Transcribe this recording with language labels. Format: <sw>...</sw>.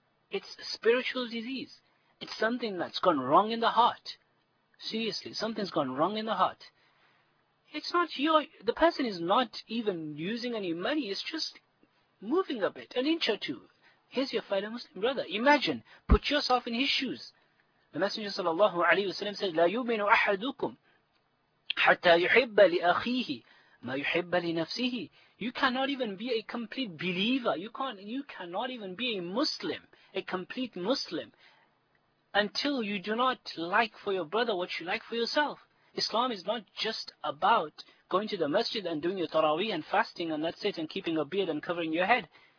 <en>It's a spiritual disease. It's something that's gone wrong in the heart. Seriously, something's gone wrong in the heart. It's not your, the person is not even using any money, it's just moving a bit, an inch or two. Here's your fellow Muslim brother. Imagine, put yourself in his shoes. The Messenger sallallahu alayhi wa sallam said,</en> <ar>لا يؤمن أحدكم حتى يحب لأخيه ما يحب لنفسه.</ar> <en>You cannot even be a complete believer. You cannot even be a Muslim, a complete Muslim, until you do not like for your brother what you like for yourself. Islam is not just about going to the masjid and doing your tarawih and fasting and that's it and keeping a beard and covering your head.</en>